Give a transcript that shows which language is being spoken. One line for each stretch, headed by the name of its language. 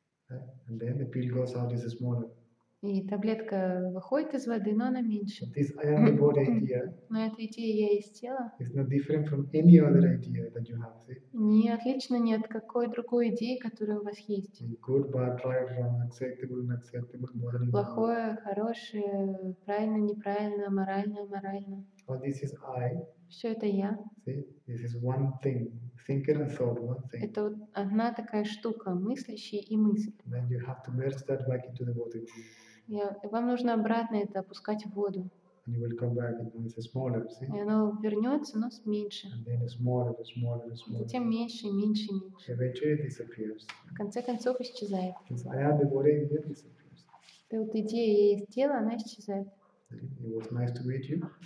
English: And then the pill goes out, it's smaller.
Russian: И таблетка выходит из воды, но она меньше.
English: But this I am the body idea.
Russian: Но эта идея я есть тело.
English: It's not different from any other idea that you have, see?
Russian: Не отлично ни от какой другой идеи, которая у вас есть.
English: Good, bad, right, wrong, acceptable, unacceptable, morally.
Russian: Плохое, хорошее, правильно, неправильно, морально, аморально.
English: But this is I.
Russian: Все это я.
English: See? This is one thing. Thinker and thought, one thing.
Russian: Это вот одна такая штука, мыслящий и мысль.
English: Then you have to merge that back into the water.
Russian: Вам нужно обратно это опускать в воду.
English: And you will come back and it's smaller, see?
Russian: И оно вернется, но с меньше.
English: And then it's smaller, smaller, smaller.
Russian: Затем меньше, меньше, меньше.
English: Eventually it disappears.
Russian: В конце концов исчезает.
English: I am the body, and it disappears.
Russian: Это вот идея, я есть тело, она исчезает.
English: It was nice to meet you.